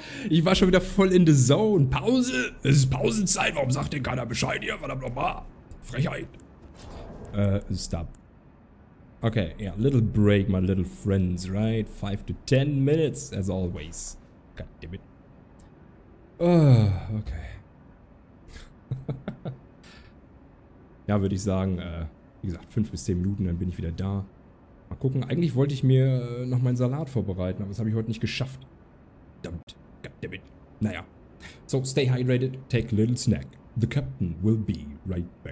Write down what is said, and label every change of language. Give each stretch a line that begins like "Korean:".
German: Ich war schon wieder voll
English: in the zone.
German: Pause. Es ist Pausenzeit. Warum sagt denn keiner Bescheid hier? Verdammt nochmal. Frechheit. Stop.
English: Okay, yeah, little break, my little friends, right? 5 to 10 minutes, as always. God damn it. Okay.
German: Ja, würde ich sagen, wie gesagt, 5 bis 10 Minuten, dann bin ich wieder da. Mal gucken, eigentlich wollte ich mir noch meinen Salat vorbereiten, aber das habe ich heute nicht geschafft. Verdammt, goddammit.
English: Naja. So, stay hydrated, take a little snack. The captain will be right back.